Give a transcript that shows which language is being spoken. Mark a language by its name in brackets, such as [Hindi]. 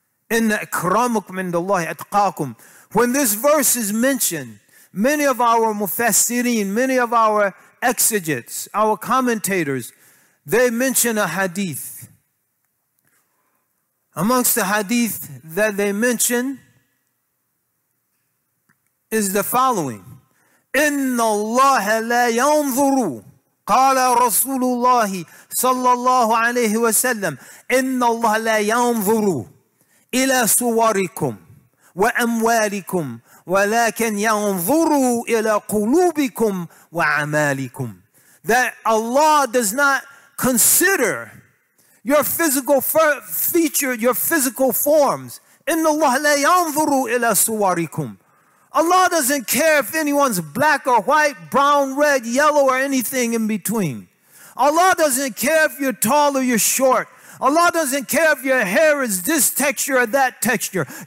[Arabic] Inna akramakum indallahi atqakum. [English] When this verse is mentioned, many of our mufassirin, many of our exegetes, our commentators, they mention a hadith. Amongst the hadith that they mention is the following. [Arabic] إِنَّ اللَّهَ لَا يَنْظُرُ قَالَ رَسُولُ اللَّهِ صَلَّى اللَّهُ عَلَيْهِ وَسَلَّمُ إِنَّ اللَّهَ لَا يَنْظُرُ إِلَى صُوَرِكُمْ وَأَمْوَالِكُمْ وَلَكَنْ يَنْظُرُ إِلَى قُلُوبِكُمْ وَعَمَالِكُمْ [English] That Allah does not consider your physical feature, your physical forms. [Arabic] إِنَّ اللَّهَ لَا يَنْظُرُ إِلَى صُوَرِكُمْ [English] Allah doesn't care if anyone's black or white, brown, red, yellow, or anything in between. Allah doesn't care if you're tall or you're short. Allah doesn't care if your hair is this texture or that texture.